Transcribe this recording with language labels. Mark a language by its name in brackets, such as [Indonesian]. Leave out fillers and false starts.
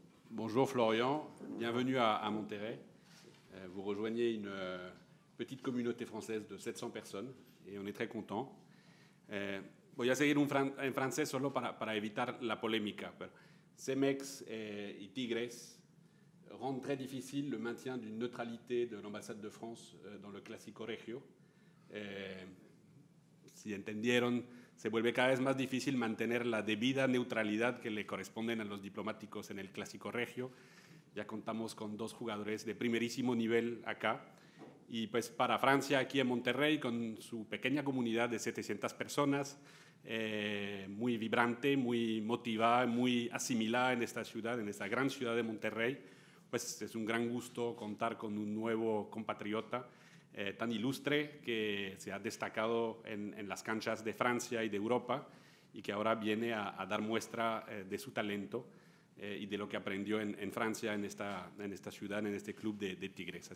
[French] Bonjour Florian, bienvenue à Monterrey. Vous rejoignez une petite communauté française de 700 personnes et on est très contents. [Spanish] Voy a seguir en francés solo para evitar la polémica. [French] Cemex y Tigres rendent très difficile le maintien d'une neutralité de l'ambassade de France dans le Clásico Regio. [Spanish] Si entendieron, se vuelve cada vez más difícil mantener la debida neutralidad que le corresponden a los diplomáticos en el Clásico Regio. Ya contamos con dos jugadores de primerísimo nivel acá. Y pues para Francia, aquí en Monterrey, con su pequeña comunidad de 700 personas, muy vibrante, muy motivada, muy asimilada en esta ciudad, en esta gran ciudad de Monterrey, pues es un gran gusto contar con un nuevo compatriota tan ilustre que se ha destacado en las canchas de Francia y de Europa y que ahora viene a dar muestra de su talento y de lo que aprendió en Francia, en esta ciudad, en este club de Tigres.